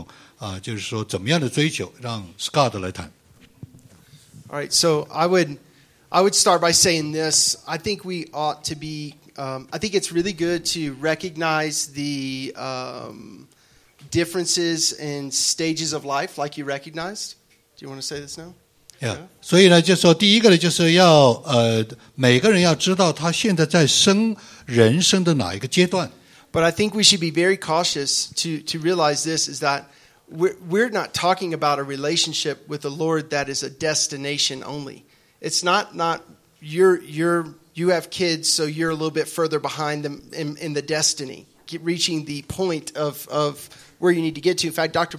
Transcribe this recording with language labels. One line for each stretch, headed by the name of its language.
Chinese: 年纪比较大的孩子都离开了，一种呢是比较在挣扎当中，小孩子很小，晚半夜要起来，还有一种是很年轻的。那么这样的，这样不同的三种的人群，大意是，因为我有些没听懂，就是说怎么样的追求，让 Scott 来谈。
English: All right, so I would start by saying this. I think we ought to be. I think it's really good to recognize the. Differences in stages of life, like you recognized. Do you want to say this now? Yeah.
Chinese: 所以呢，就说第一个呢，就是要每个人要知道他现在在人生的哪一个阶段。
English: But I think we should be very cautious to realize this is that we're not talking about a relationship with the Lord that is a destination only. It's not you have kids, so you're a little bit further behind them in the destiny, reaching the point of where you need to get to. In fact, Dr.